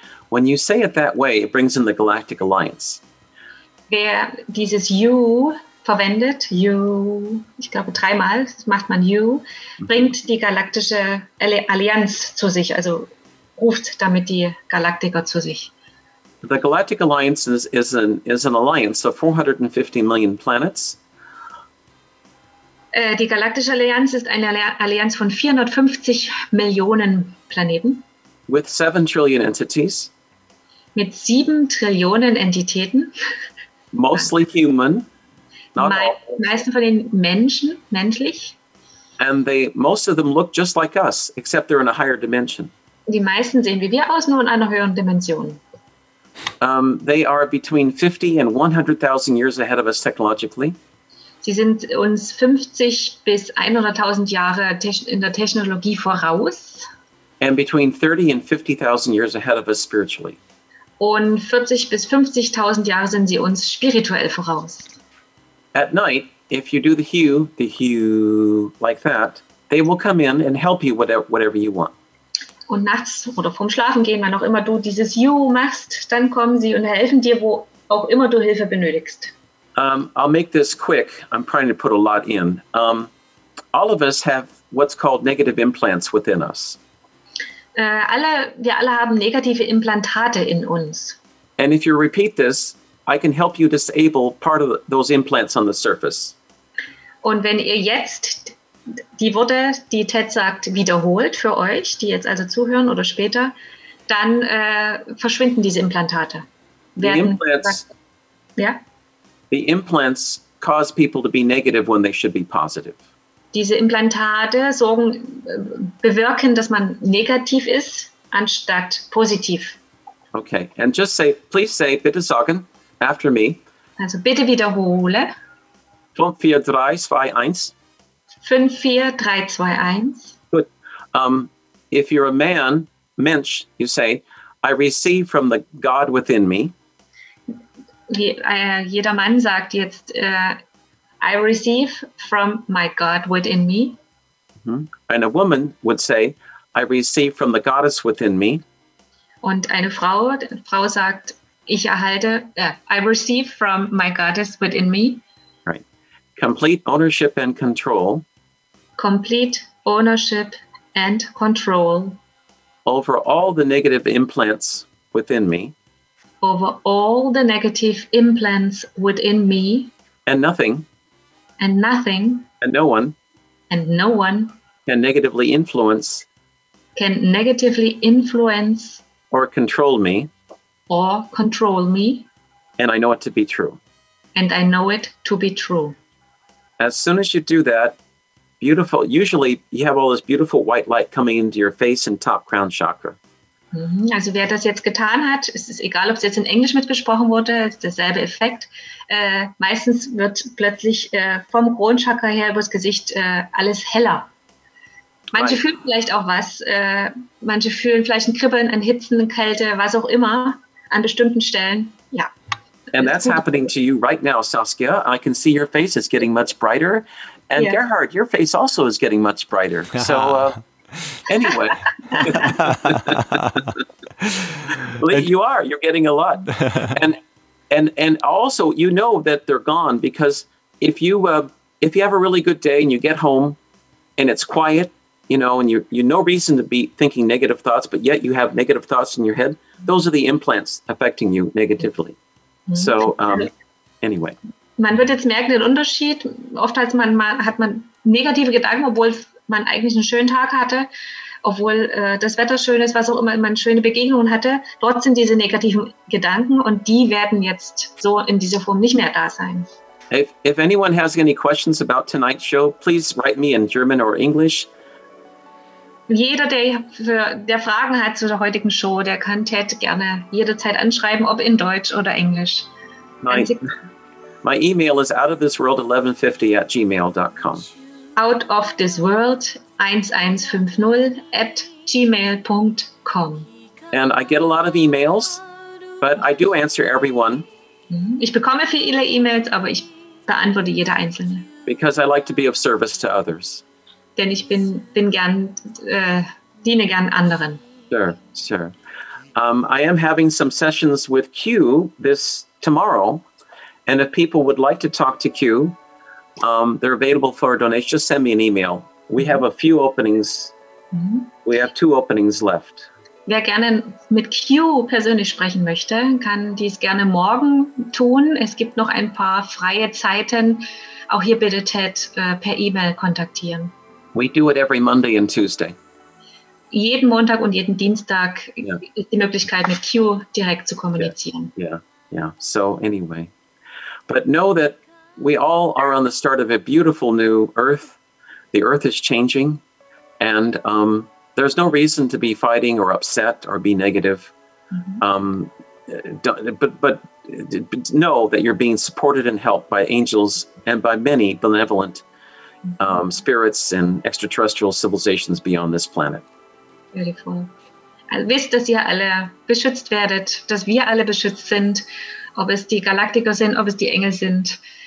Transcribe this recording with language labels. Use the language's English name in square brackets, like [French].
[English] When you say it that way, it brings in the Galactic Alliance. [German] Wer dieses Hue verwendet, you, ich glaube dreimal macht man you, bringt die galaktische Allianz zu sich, also ruft damit die Galaktiker zu sich. [English] The Galactic Alliance is an alliance of 450 million planets. [German] Die Galaktische Allianz ist eine Allianz von 450 Millionen Planeten. [English] With 7 trillion entities. [German] Mit 7 Trillionen Entitäten. [English] Mostly human. [German] Meisten von den Menschen, menschlich. [English] And they, most of them look just like us, except they're in a higher dimension. [German] Die meisten sehen wie wir aus, nur in einer höheren Dimension. [English] They are between 50 and 100,000 years ahead of us technologically. [German] Sie sind uns 50 bis 100,000 Jahre in der Technologie voraus. [English] And between 30 and 50,000 years ahead of us spiritually. [German] Und 40 bis 50,000 Jahre sind sie uns spirituell voraus. [English] At night, if you do the hue like that, they will come in and help you whatever you want. [German] Und nachts oder vorm Schlafen gehen, wann auch immer du dieses you machst, dann kommen sie und helfen dir, wo auch immer du Hilfe benötigst. [English] I'll make this quick. I'm trying to put a lot in. All of us have what's called negative implants within us. [German] Wir alle haben negative Implantate in uns. [English] And if you repeat this, I can help you disable part of those implants on the surface. [German] Und wenn ihr jetzt die Worte, die Ted sagt, wiederholt für euch, die jetzt also zuhören oder später, dann verschwinden diese Implantate. [English] The implants cause people to be negative when they should be positive. [German] Diese Implantate sorgen, bewirken, dass man negativ ist, anstatt positiv. [English] Okay, and just say, please say, [German] bitte sagen, [English] after me. [German] Also bitte wiederhole. [English] 5-4-3-2-1. 5-4-3-2-1. Good. If you're a man, Mensch, you say, I receive from the God within me. [German] Jeder Mann sagt jetzt, [English] I receive from my God within me. Mm-hmm. And a woman would say, I receive from the goddess within me. [German] Und eine Frau sagt, ich erhalte, [English] I receive from my goddess within me. Right. Complete ownership and control. Complete ownership and control. Over all the negative implants within me. Over all the negative implants within me. And nothing. And nothing. And no one. And no one. Can negatively influence. Can negatively influence. Or control me. Or control me. And I know it to be true. And I know it to be true. As soon as you do that, beautiful. Usually you have all this beautiful white light coming into your face and top crown chakra. [German] Also wer das jetzt getan hat, es ist egal, ob es jetzt in Englisch mitgesprochen wurde, es ist derselbe Effekt. Meistens wird plötzlich vom Kronchakra her übers Gesicht alles heller. Manche fühlen vielleicht auch was. Manche fühlen vielleicht ein Kribbeln, ein Hitzen, eine Kälte, was auch immer, an bestimmten Stellen. Ja. [English] And that's happening to you right now, Saskia. I can see your face is getting much brighter. And yeah. Gerhard, your face also is getting much brighter. So... anyway, you're getting a lot. And also, you know that they're gone because if you have a really good day and you get home and it's quiet, you know, and you no reason to be thinking negative thoughts, but yet you have negative thoughts in your head, those are the implants affecting you negatively. So, anyway. [German] Man wird jetzt merken den Unterschied. Oftmals hat man negative Gedanken, obwohl man eigentlich einen schönen Tag hatte, obwohl das Wetter schön ist, was auch immer, man schöne Begegnungen hatte. Dort sind diese negativen Gedanken und die werden jetzt so in dieser Form nicht mehr da sein. [English] If anyone has any questions about tonight's show, please write me in German or English. [German] Jeder, der Fragen hat zu der heutigen Show, der kann Ted gerne jederzeit anschreiben, ob in Deutsch oder Englisch. [English] My email is outofthisworld1150@gmail.com. Out of this world 1150@gmail.com. And I get a lot of emails, but I do answer everyone. [German] Ich bekomme viele E-Mails, aber ich beantworte jede einzelne. [English] Because I like to be of service to others. [German] Denn ich diene gern anderen. [English] Sure, sure. I am having some sessions with Q this tomorrow, and if people would like to talk to Q. They're available for a donation. Just send me an email. We have a few openings. Mm-hmm. We have two openings left. [German] Wer gerne mit Q persönlich sprechen möchte, kann dies gerne morgen tun. Es gibt noch ein paar freie Zeiten. Auch hier bitte Ted per E-Mail kontaktieren. [English] We do it every Monday and Tuesday. [German] Jeden Montag und jeden Dienstag ist die Möglichkeit, mit Q direkt zu kommunizieren. [English] Yeah. So anyway. But know that we all are on the start of a beautiful new Earth. the earth is changing, and there's no reason to be fighting or upset or be negative. Mm-hmm. But know that you're being supported and helped by angels and by many benevolent spirits and extraterrestrial civilizations beyond this planet. Beautiful. [German] Wisst, dass ihr alle beschützt werdet, dass wir alle beschützt sind, ob es die Galaktiker sind, ob es die Engel sind.